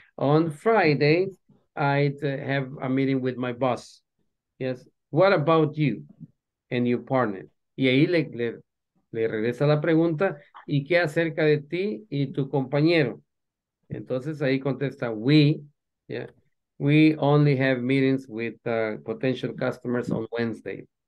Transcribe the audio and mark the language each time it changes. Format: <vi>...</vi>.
<en>On Friday, I have a meeting with my boss. Yes. What about you and your partner?</en> <es>Y ahí le regresa la pregunta, ¿y qué acerca de ti y tu compañero? Entonces ahí contesta, we, yeah,</es> <en>We only have meetings with potential customers on Wednesday.</en>